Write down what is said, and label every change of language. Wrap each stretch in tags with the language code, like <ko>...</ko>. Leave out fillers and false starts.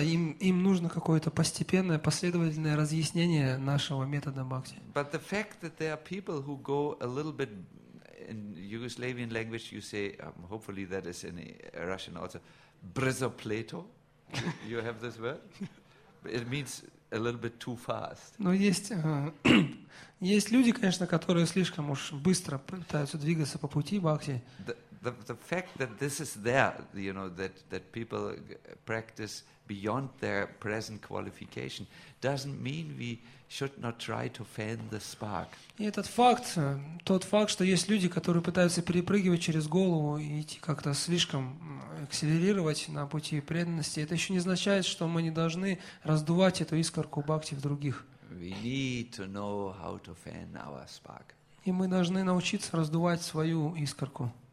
<ru>Им нужно какое-то постепенное, последовательное разъяснение нашего метода бхакти.</ru> <en>But the fact that there are people who go a little bit in Yugoslavian language, you say, hopefully that is in Russian also, brzopleto. You have this word. It means a little bit too fast.</en> <ru>Но есть люди, конечно, которые слишком уж быстро пытаются двигаться по пути бхакти.</ru> <en>The fact that this is there, you know, that people practice beyond their present qualification doesn't mean we should not try to fan the spark.</en> <ru>И этот факт, тот факт, что есть люди, которые пытаются перепрыгивать через голову и идти как-то слишком акселерировать на пути преданности, это еще не означает, что мы не должны раздувать эту искорку бхакти в других.</ru> <en>We need to know how to fan our spark.</en> <ru>И мы должны научиться раздувать свою искорку.</ru>